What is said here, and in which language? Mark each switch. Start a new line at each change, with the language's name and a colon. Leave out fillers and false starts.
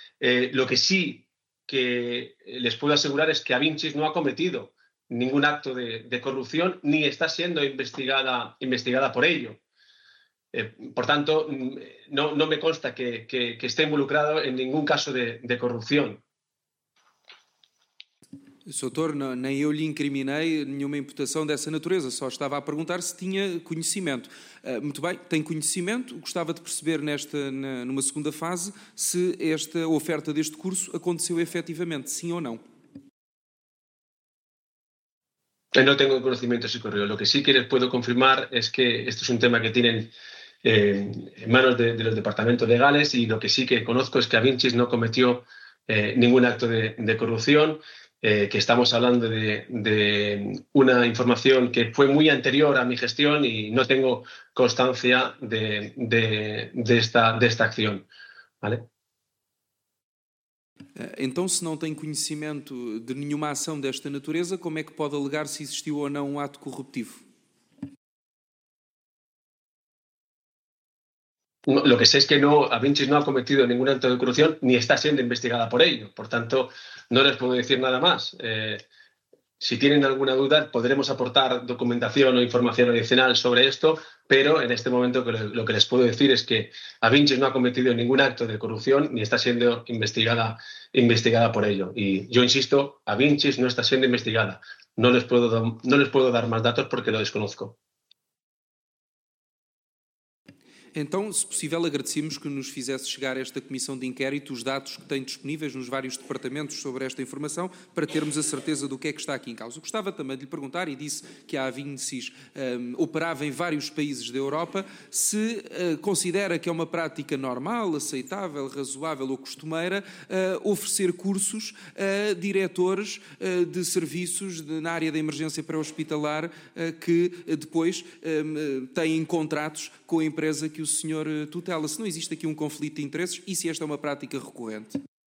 Spanish: Lo que sí que les puedo asegurar es que Avincis no ha cometido ningún acto de corrupción ni está siendo investigada por ello. Por tanto, no me consta que esté involucrado en ningún caso de corrupción.
Portuguese: Doutor, nem eu lhe incriminei nenhuma imputação dessa natureza, só estava a perguntar se tinha conhecimento. Muito bem, tem conhecimento, gostava de perceber numa segunda fase se esta oferta deste curso aconteceu efetivamente, sim ou não. Eu não tenho conhecimento se ocorreu. O que sim que lhe posso confirmar é que este é um tema que têm em mãos
Spanish: de los
Portuguese: departamentos legais e o que sim que
Spanish: conozco
Portuguese: é que a Vincis não cometeu nenhum acto de corrupção.
Spanish: Que estamos hablando de una información que fue muy anterior a mi gestión y no tengo constancia de esta acción, ¿vale?
Portuguese: Então, se não tem conhecimento de nenhuma ação desta natureza, como é que pode alegar se existiu ou não um ato corruptivo?
Spanish: Lo que sé es que no, Avincis no ha cometido ningún acto de corrupción ni está siendo investigada por ello. Por tanto, no les puedo decir nada más. Si tienen alguna duda, podremos aportar documentación o información adicional sobre esto, pero en este momento lo que les puedo decir es que Avincis no ha cometido ningún acto de corrupción ni está siendo investigada por ello. Y yo insisto, Avincis no está siendo investigada. No les puedo dar más datos porque lo desconozco.
Portuguese: Então, se possível, agradecemos que nos fizesse chegar a esta comissão de inquérito os dados que tem disponíveis nos vários departamentos sobre esta informação, para termos a certeza do que é que está aqui em causa. Gostava também de lhe perguntar, e disse que a Avincis operava em vários países da Europa, se considera que é uma prática normal, aceitável, razoável ou costumeira oferecer cursos a diretores de serviços na área da emergência pré-hospitalar que depois têm contratos com a empresa que o senhor tutela, se não existe aqui um conflito de interesses e se esta é uma prática recorrente.